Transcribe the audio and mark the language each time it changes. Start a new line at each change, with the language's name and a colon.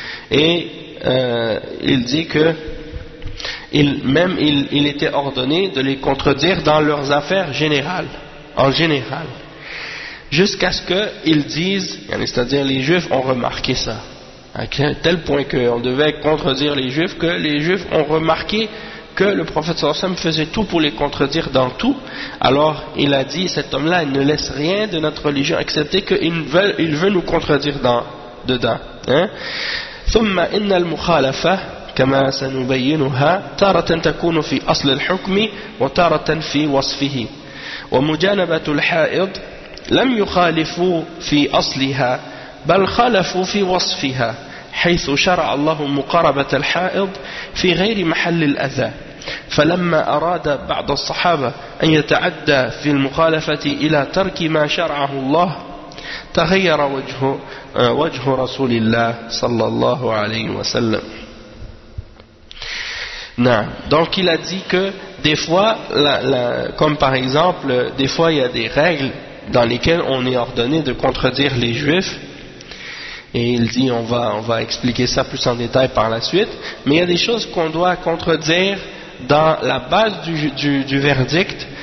French: Et il dit que il était ordonné de les contredire dans leurs affaires générales, en général, jusqu'à ce qu'ils disent, c'est-à-dire les juifs ont remarqué ça, à tel point qu'on devait contredire les juifs, que les juifs ont remarqué que le prophète sallallahu alayhi wa sallam faisait tout pour les contredire dans tout. Alors il a dit, cet homme-là, il ne laisse rien de notre religion, excepté qu'il veut nous contredire dedans.
Arabic: ثم إن المخالفة كما سنبينها تارة تكون في أصل الحكم وتارة في وصفه ومجانبة الحائض لم يخالفوا في أصلها بل خالفوا في وصفها حيث شرع الله مقاربة الحائض في غير محل الأذى فلما أراد بعض الصحابة أن يتعدى في المخالفة إلى ترك ما شرعه الله تغير وجه رسول الله صلى الله عليه وسلم.
French: Non. Donc il a dit que des fois, comme par exemple, des fois il y a des règles dans lesquelles on est ordonné de contredire les juifs. Et il dit, on va expliquer ça plus en détail par la suite. Mais il y a des choses qu'on doit contredire dans la base du verdict.